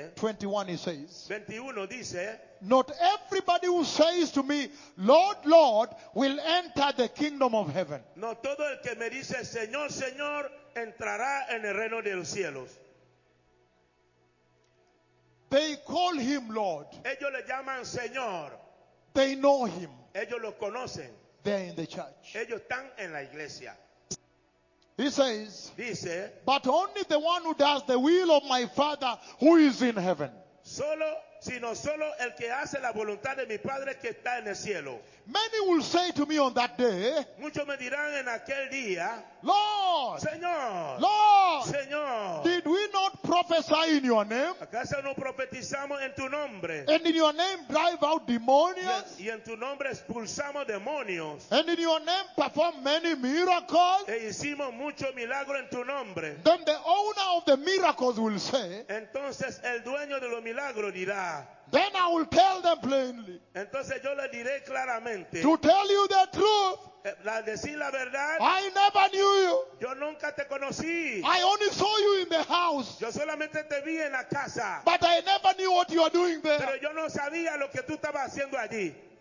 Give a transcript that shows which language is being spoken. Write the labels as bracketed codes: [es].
[en] Verse 21 says, not everybody who says to me, Lord, Lord, will enter the kingdom of heaven. [es] No todo el que me dice, Señor, Señor, entrará en el reino de los cielos. [en] They call him Lord. [es] Ellos le llaman Señor. [en] They know him. [es] Ellos lo conocen. [en] They're in the church. [es] Ellos están en la iglesia. [en] He says, [es] dice, [en] but only the one who does the will of my Father who is in heaven. [es] Solo, sino solo el que hace la voluntad de mi Padre que está en el cielo. [en] Many will say to me on that day, [es] muchos me dirán en aquel día, [en] Lord, [es] Señor, [en] Lord, [es] Señor, [en] did we not prophesy in your name? [es] ¿Acaso no profetizamos en tu nombre? [en] And in your name drive out demons? [es] Y en tu nombre expulsamos demonios. [en] And in your name perform many miracles? [es] E hicimos mucho milagro en tu nombre. [en] Then the owner of the miracles will say, [es] entonces el dueño de los milagros dirá, [en] then I will tell them plainly. [es] Entonces yo le diré claramente. [en] To tell you the truth. [es] La decir la verdad. [en] I never knew you. [es] Yo nunca te conocí. [en] I only saw you in the house. [es] Yo solamente te vi en la casa. [en] But I never knew what you were doing there. [es] Pero yo no sabía lo que tú estabas haciendo allí.